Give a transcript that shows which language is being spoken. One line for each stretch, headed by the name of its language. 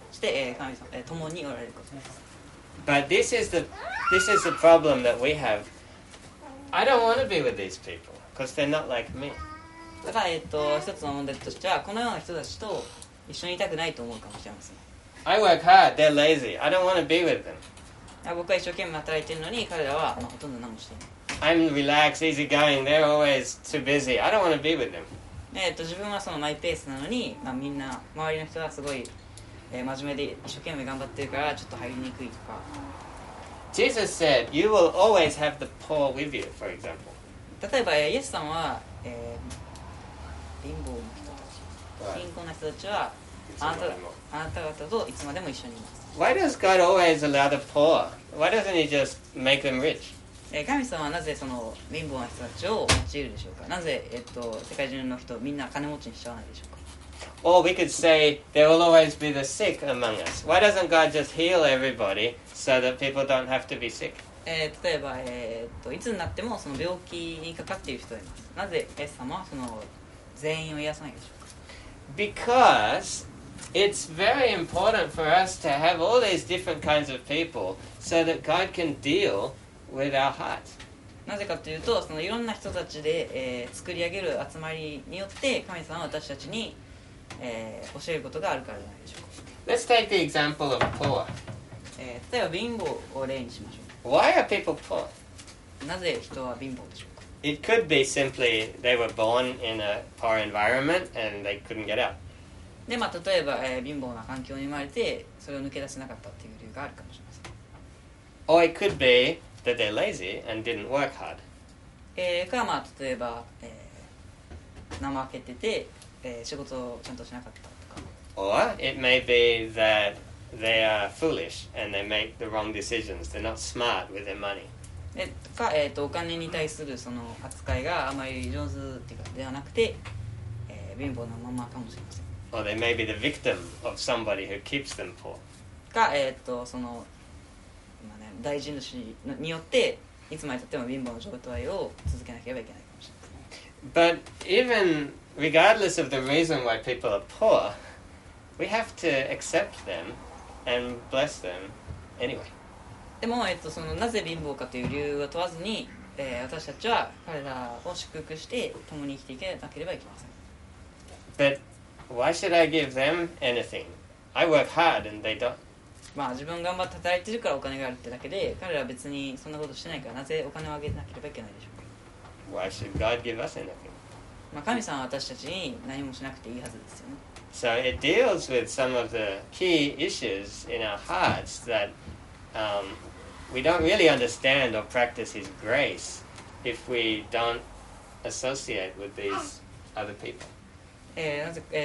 Japanese: そして、神様、共におられることです。
English: But this is the problem that we have. I don't want to be with these people, because they're not like me.
Japanese: ただ、一つの問題としては、このような人たちと一緒にいたくないと思うかもしれません。
English: I work hard, they're lazy. I don't want to be with them.
Japanese: 僕は一生懸命働いているのに、彼らは、ほとんど何もしていない。
English: I'm relaxed, easy going. They're always too busy. I don't want to be with them.
Japanese: 自分はそのマイペースなのに、みんな周りの人はすごい、真面目で一生懸命頑張ってるからちょっと入りにくいとか。
English: Jesus said, "You will always have the poor with you." For example.
Japanese: 例えばイエスさんは、貧乏な人たち、貧困な人たちはあなた方といつまでも一緒にいます。
English: Why does God always allow the poor? Why doesn't He just make them rich?
Japanese: 神様はなぜその貧乏な人たちを用いるでしょうか。なぜ、世界中の人みんな金持ちにしちゃわないでしょうか。
English: Or we could say there will always be the sick among us. Why doesn't God just heal everybody so that people don't have to be sick?
Japanese: 例えば、いつになってもその病気にかかっている人がいます。なぜイエス様はその全員を癒さないでしょうか。
English: Because it's very important for us to have all these different kinds of people so that God can deal. With our hearts.
Japanese: なぜかというと、そのいろんな人たちで、作り上げる集まりによって、神様は私たちに、教えることがあるからじゃないでしょうか。
English: Let's take the example of poor.
Japanese: 例えば貧乏を例にしましょう。
English: Why are people poor?
Japanese: なぜ人は貧乏でしょうか。
English: It could be simply they were born in a poor environment and they couldn't get out.
Japanese: で、まあ、例えば、貧乏な環境に生まれて、それを抜け出せなかったっていう理由があるかもしれません。
English: Or it could beThat they're lazy and didn't work hard.
Japanese: かまあ例えば、怠けてて、仕事をちゃんとしなかったとか。
English: Or it may be that they are foolish and they make the wrong decisions. They're not smart with their money.
Japanese: か、お金に対するその扱いがあまり上手っていうかではなくて、貧乏なままかもしれません。
English: Or they may be the victim of somebody who keeps them poor.
Japanese: かその大事主によっていつまでたっても貧乏の状態を続けなければいけないかもしれません。
English: But even regardless of the reason why people are poor, we have to accept them and bless them anyway.
Japanese: でも、そのなぜ貧乏かという理由を問わずに、私たちは彼らを祝福して共に生きていかなければいけません。
English: But why should I give them anything? I work hard and they don't.
Japanese: まあ、自分頑張って働いてるからお金があるってだけで、彼らは別にそんなことしてないから、なぜお金をあげなければいけないでしょうか。
English: Why should God give us anything?
Japanese: まあ、神様は私たちに何もしなくていいはずですよね。
English: So it deals with some of the key issues in our hearts that, we don't really understand or practice His grace if we don't associate with these other people.
Japanese: なぜ、